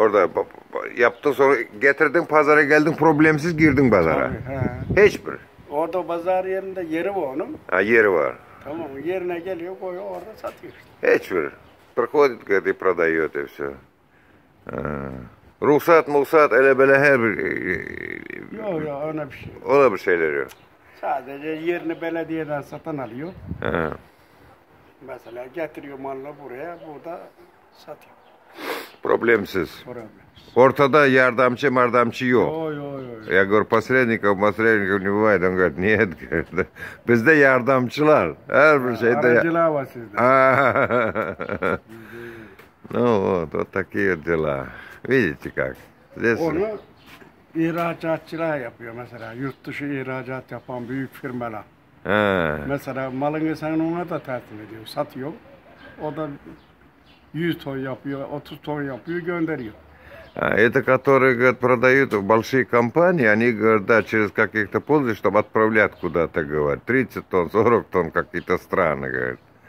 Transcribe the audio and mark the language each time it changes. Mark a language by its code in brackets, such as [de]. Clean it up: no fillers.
[tr] Orada yaptın sonra getirdin pazara geldin, problemsiz girdin pazara. Tabii, he. Hiçbir. Orada pazar yerinde yeri var onun. Ha yeri var. Tamam, yerine geliyor, koyuyor, orada satıyor işte. Hiçbir. [ru] Проходит, когда и продает, и все. [tr] Ruhsat, muhsat, öyle böyle her bir... Yok ya, öyle bir şey. O da bir şeyler yok. Sadece yerini belediyeden satın alıyor. Ha. Mesela getiriyor malını buraya, burada satıyor. Problemsiz. Problemsiz. Ortada yardımcı, mardamcı yok. Yok, yok, yok. [ru] Я говорю, посредников, посредников не бывает. Он говорит, нет, говорит. [kk] Бізде ярдамчылар. Әр бір жайда... Аранчылар бар сізде. [ru] Ну вот, вот такие дела. Видите как? Здесь... [tr] Onu ihracatçılar yapıyor mesela. Yurt dışı ihracat yapan büyük firmalar. Ha. Mesela malını sen ona da teslim ediyor. Satıyor. O da 100 ton yapıyor, 30 ton yapıyor, gönderiyor. [ru] А это которые говорят, продают в большие компании, они говорят, да, через каких-то пользователей, чтобы отправлять куда-то, говорят, 30 тонн, 40 тонн, какие-то страны, говорят.